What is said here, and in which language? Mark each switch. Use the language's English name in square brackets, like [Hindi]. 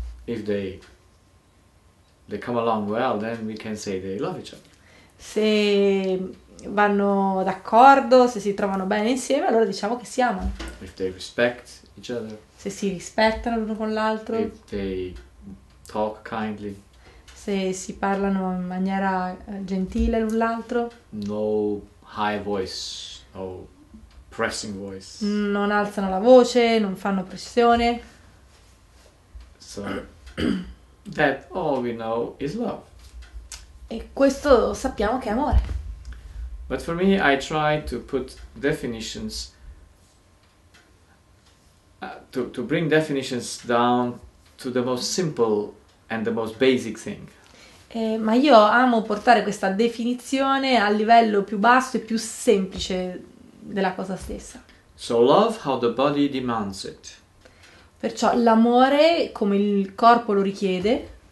[English] If they come along well, then we can say they love each other. [Italian] Se vanno d'accordo, se si trovano bene insieme, allora diciamo che si amano. [English] If they respect each other, [Italian] Se si rispettano l'uno con l'altro, [English] if they talk kindly, [Italian] se si parlano in maniera gentile l'un l'altro. [English] no high voice, no pressing voice. [Italian] Non alzano la voce, non fanno pressione. [English] So that all we know is love. [Italian] Questo sappiamo che è amore. [English] But for me, I try to put definitions. To bring definitions down to the most simple and the most basic thing. [Italian] Ma io amo portare questa definizione al livello più basso e più semplice della cosa stessa. Perciò [English] So love how the body demands it. [Italian] l'amore, come il corpo lo richiede,